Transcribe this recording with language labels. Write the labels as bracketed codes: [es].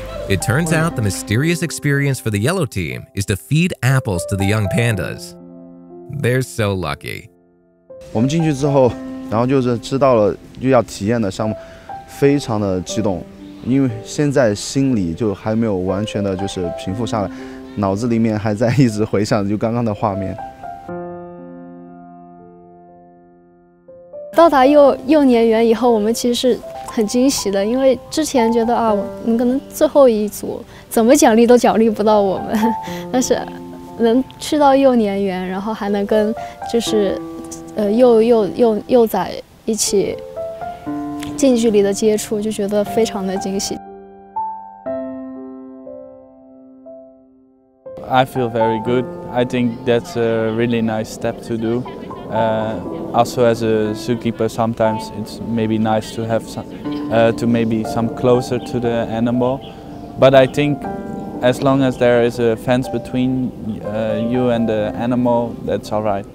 [en] It turns out the mysterious experience for the yellow team is to feed apples to the young pandas. They're so lucky. [zh] 我们进去之后，然后就是知道了又要体验的项目，非常的激动，因为现在心里就还没有完全的就是平复下来，脑子里面还在一直回想就刚刚的画面。到达幼年园以后，我们其实是很惊喜的，因为之前觉得啊，我们可能最后一组怎么奖励都奖励不到我们，但是能去到幼年园，然后还能跟就是幼崽一起近距离的接触，就觉得非常的惊喜。 [en] I feel very good. I think that's a really nice step to do. Also as a zookeeper, sometimes it's maybe nice to have some, to maybe some closer to the animal. But I think as long as there is a fence between you and the animal, that's all right.